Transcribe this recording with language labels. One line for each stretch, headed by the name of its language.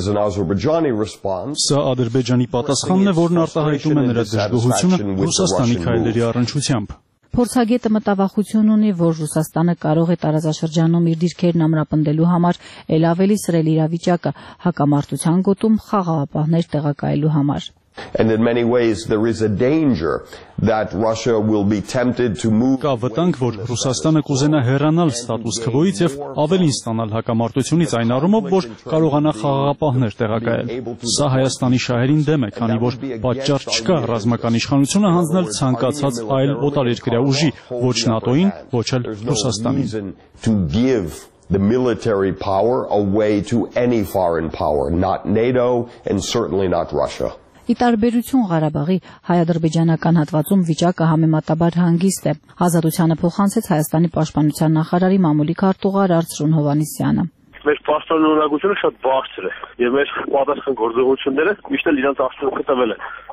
Armenian: Սա Ադրբեջանի պատասխանն է, որն արտահայտում է նրա դժգոհությունը Ռուսաստանի քայլերի առնչությամբ։ Փորձագետը մտավախություն ունի, որ Ռուսաստանը կարող է տարածաշրջանում իր դիրքերն ամրապնդելու համար էլ ավելի սրել իրավիճակը հակամարտության գոտում խաղաղապահներ տեղակայելու համար։
English: And in many ways there is a danger that Russia will be tempted to move.
Armenian: Կա վտանգ, որ Ռուսաստանը կուզենա հեռանալ ստատուս քվոյից եւ ավելին ստանալ հակամարտությունից այն առումով, որ կարողանա խաղաղապահներ տեղակայել։ Սա Հայաստանի շահերին դեմ է, քանի որ պատճառ չկա ռազմական իշխանությունը հանձնել ցանկացած այլ օտարերկրյա ուժի, ոչ ՆԱՏՕ-ին, ոչ էլ Ռուսաստանին։
English: The military power away to any foreign power, not NATO and certainly not Russia.
Armenian: Ի տարբերություն Ղարաբաղի, հայ-ադրբեջանական հատվածում վիճակը համեմատաբար հանգիստ է։ Ազատությանը փոխանցեց Հայաստանի պաշտպանության նախարարի մամուլի քարտուղար Արծրուն Հովանիսյանը։ Մեր պաշտոնորակությունը շատ բարձր է, եւ մեր պատասխան գործողությունները միշտ իրենց աշխատանքը տվել են։